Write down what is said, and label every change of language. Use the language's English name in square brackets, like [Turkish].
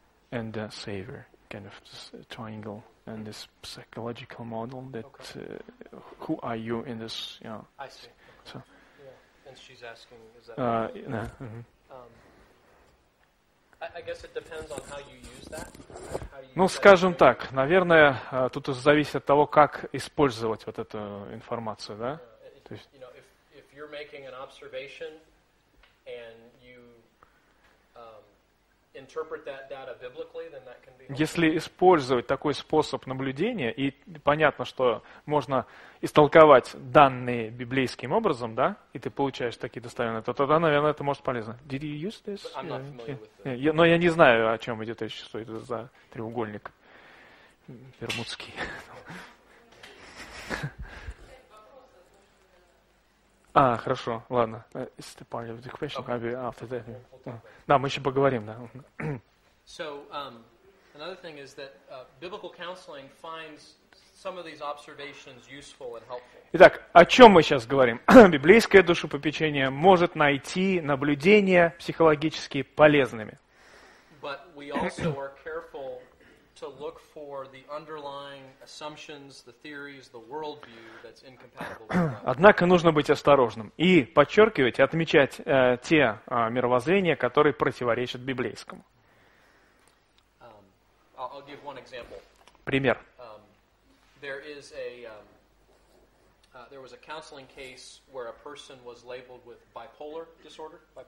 [English] And the savior, kind of this triangle and this psychological model that who are you in this, you know. I see. Okay. So yeah. And she's asking, is that right? Yeah. Mm-hmm. I guess it depends on how you use that. [Russian] Ну, скажем так, наверное, тут зависит от того, как использовать вот эту информацию, да? То есть, [English] you know, if you're making an observation and you interpret that data biblically, then that can be helpful. [Russian] Если использовать такой способ наблюдения, и понятно, что можно истолковать данные библейским образом, да, и ты получаешь такие достоверные, то тогда, наверное, это может полезно. [English] Did you use this? [Russian] Но я не знаю, о чем идет речь, что это за треугольник бермудский. А, хорошо, ладно. [English] It's the part of the question. Okay. I'll be after that. We'll [Russian] да, мы еще поговорим, да. [English] So, another thing is that biblical counseling finds some of these observations useful and helpful. [Russian] Итак, о чем мы сейчас говорим? Библейское душепопечение может найти наблюдения психологически полезными. [English] But we also are careful to look for the underlying assumptions, the theories, the worldview that's incompatible with that. [Russian] Однако нужно быть осторожным и подчеркивать, отмечать те мировоззрения, которые противоречат библейскому. [English] I'll give one example. [Russian] Пример. [English] There was a counseling case where a person was labeled with bipolar disorder.